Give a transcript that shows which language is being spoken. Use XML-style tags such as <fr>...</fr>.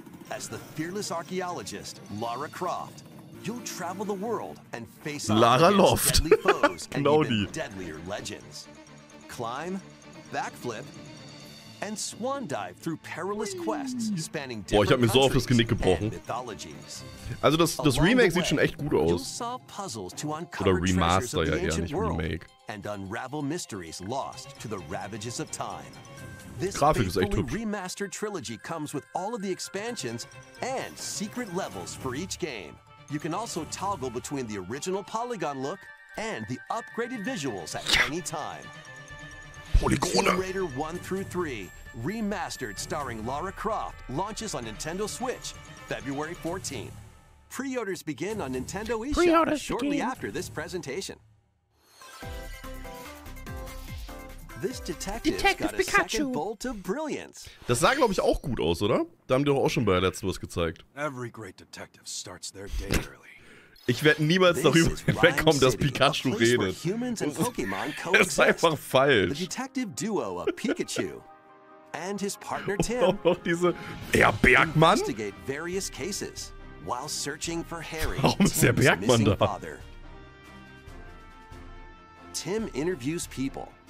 <en>As the fearless archaeologist Lara Croft, you'll travel the world and face</en> <de>Lara Loft. Genau die.</de> <en>Deadlier legends. Climb, backflip and swan dive through perilous quests spanning different.</en> <de>Boah, ich habe mir so auf das Genick gebrochen. Also das Remake sieht schon echt gut aus. Oder Remaster ja eher, nicht Remake.</de> <en>And unravel mysteries lost to the ravages of time.</en> <de>This Grafik ist echt hübsch.</de> <en>Remastered trilogy comes with all of the expansions and secret levels for each game. You can also toggle between the original polygon look and the upgraded visuals at any time.</en> <de>Polygone.</de> <en>Raider 1 through 3 Remastered starring Lara Croft launches on Nintendo Switch February 14th. Pre-orders begin on Nintendo eShop shortly after this presentation. This detective's got a second bolt of brilliance.</en> <de>Das sah, glaube ich, auch gut aus, oder? Da haben die doch auch schon bei der letzten was gezeigt.</de> <en>Every great detective starts their day early.</en> <de>Ich werde niemals darüber hinwegkommen, dass Pikachu redet. Das ist einfach falsch.</de> <en>Detective Duo of Pikachu and his partner Tim.</en> <de>Und auch diese Herr Bergmann.</de> <en>Investigate various cases while searching for Harry.</en> <de>Warum ist der Bergmann da?</de> <en>Tim interviews people.</en>